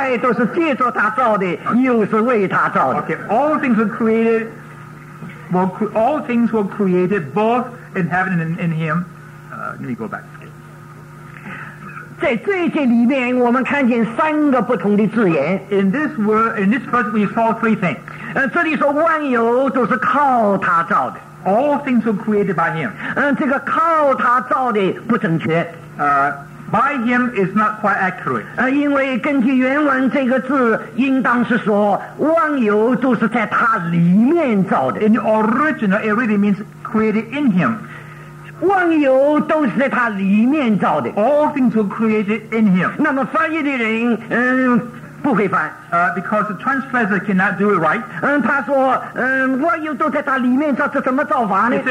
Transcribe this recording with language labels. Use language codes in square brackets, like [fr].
[zh] 我们弟兄已经把底下的话读了，一开都是借着他造的，又是为他造的。 [en] Okay, all things were created, all things were created both in heaven and in him. Let me go back. [zh] 在这些里面，我们看见三个不同的字眼。 [en] In this word, in this verse, we saw three things. [zh] 这里说万有都是靠他造的。 [en] All things were created by him. [zh] 这个靠他造的不正确。 [en] By him is not quite accurate. [zh] 因为根据原文这个字，应当是说万有都是在他里面造的。 [en] In the original, it really means created in him. [zh] 万有都是在他里面造的。 [en] All things were created in him. [zh] 那么翻译的人, 不会翻, [en] because the translator cannot do it right. [zh] 他说万有都在他里面造，这怎么造法呢?